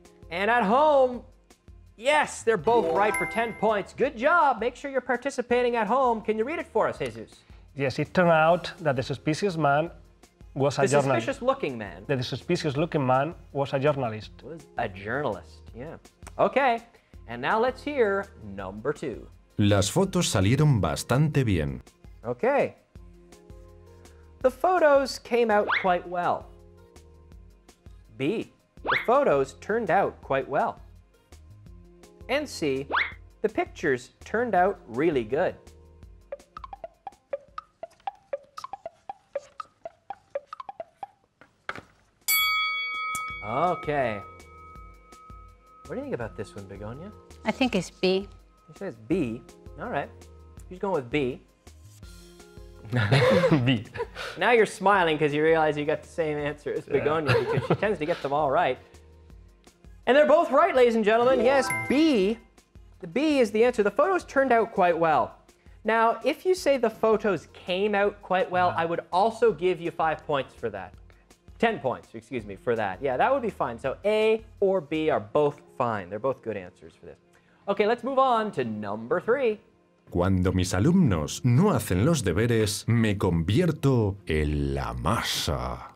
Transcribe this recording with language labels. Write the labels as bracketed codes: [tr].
[en] And at home, yes, they're both right for 10 points. Good job. Make sure you're participating at home. Can you read it for us, Jesus? Yes, it turned out that the suspicious man was a journalist. The suspicious-looking man. That the suspicious-looking man was a journalist. Was a journalist, yeah. Okay, and now let's hear number two. [es] Las fotos salieron bastante bien. [en] Okay. The photos came out quite well. B. The photos turned out quite well. And C. The pictures turned out really good. Okay. What do you think about this one, Begonia? I think it's B. It says B. All right. She's going with B. B. Now you're smiling because you realize you got the same answer as Begonia, yeah. Because she tends to get them all right. And they're both right, ladies and gentlemen. Yeah. Yes, B. The B is the answer. The photos turned out quite well. Now, if you say the photos came out quite well, I would also give you 5 points for that. 10 points, excuse me, for that. Yeah, that would be fine. So A or B are both fine. They're both good answers for this. Okay, let's move on to number three. [es] Cuando mis alumnos no hacen los deberes, me convierto en la masa.